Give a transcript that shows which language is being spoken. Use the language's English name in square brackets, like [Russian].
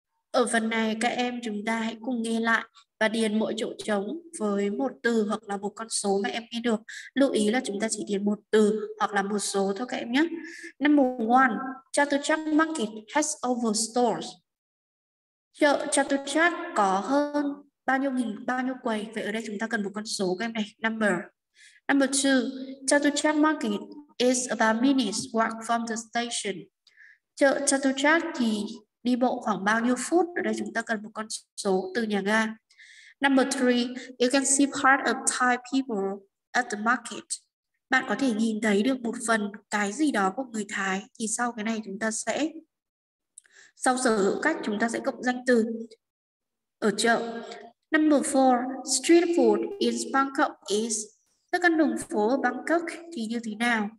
[Vietnamese] Ở phần này, các em chúng ta hãy cùng nghe lại và điền mỗi chỗ trống với một từ hoặc là một con số mà em nghe được. Lưu ý là chúng ta chỉ điền một từ hoặc là một số thôi các em nhé. [English] Number 1. Chatuchak Market has over stores. [Vietnamese] Chợ Chatuchak có hơn bao nhiêu quầy? Vậy ở đây chúng ta cần một con số các em này. [English] Number. Number 2. Chatuchak Market is about minutes walk from the station. [Vietnamese] Chợ Chatuchak thì đi bộ khoảng bao nhiêu phút? Ở đây chúng ta cần một con số từ nhà ga. [English] Number 3. You can see part of Thai people at the market. [Vietnamese] Bạn có thể nhìn thấy được một phần cái gì đó của người Thái. Thì sau cái này chúng ta sẽ, sau sở hữu cách chúng ta sẽ cộng danh từ ở chợ. [English] Number 4. Street food in Bangkok is. [Vietnamese] Thức ăn đường phố ở Bangkok thì như thế nào?